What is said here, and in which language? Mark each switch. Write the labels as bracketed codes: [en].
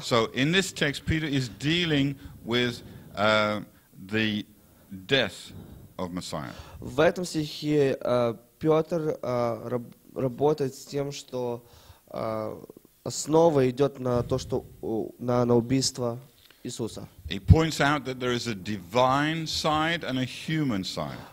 [en] So in this text, Peter is dealing with the death of Messiah. [ru] В этом стихе Петр работает с тем, что основа идет на то, что на убийство Иисуса. [en] He points out that there is a divine side and a human side.